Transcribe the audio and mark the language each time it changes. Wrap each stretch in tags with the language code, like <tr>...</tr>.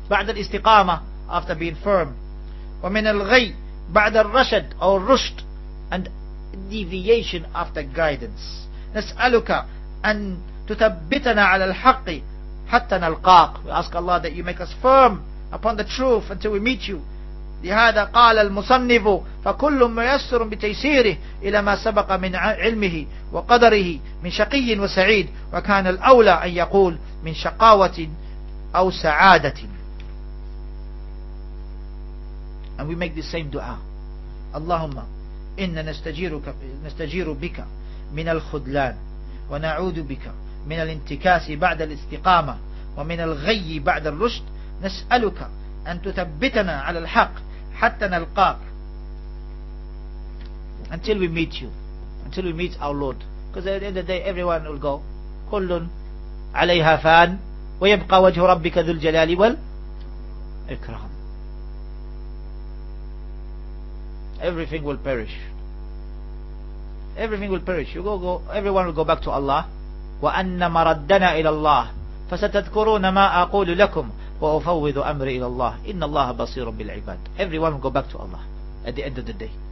<ar>بَعْدَ الْإِسْتِقَامَةِ,</ar> <en>after being firm.</en> <ar>وَمِنَ الْغَيِّ بَعْدَ الرَّشَدِ,</ar> <en>or rushd, and deviation after guidance.</en> <ar>نَسْأَلُكَ أَن تُثَبِّتَنَا عَلَى الْحَقِّ حَتَّى نَلْقَاكَ.</ar> <en>We ask Allah that you make us firm upon the truth until we meet you.</en> <ar>لهذا قال المصنف فكل ميسر بتيسيره إلى ما سبق من علمه وقدره من شقي وسعيد وكان الأولى أن يقول من شقاوة أو سعادة.</ar> <en>And we make the same dua.</en> <ar>اللهم إن نستجير بك من الخذلان ونعوذ بك من الانتكاس بعد الاستقامة ومن الغي بعد الرشد نسألك أن تثبتنا على الحق حتى نلقاك.</ar> <en>Until we meet you, until we meet our Lord. Because at the end of the day, everyone will go.</en> <ar>كل عليها فان ويبقى وجه ربك ذو الجلال والإكرام.</ar> <en>Everything will perish. Everything will perish. You go. Everyone will go back to Allah.</en> <ar>وَأَنَّ مَرَدَّنَا إِلَى اللَّهِ فَسَتَذْكُرُونَ مَا أَقُولُ لَكُمْ وَأُفَوِّذُ أَمْرِ إِلَى اللَّهِ إِنَّ اللَّهَ بَصِيرٌ بِالْعِبَادِ.</ar> <en>Everyone will go back to Allah at the end of the day.</en>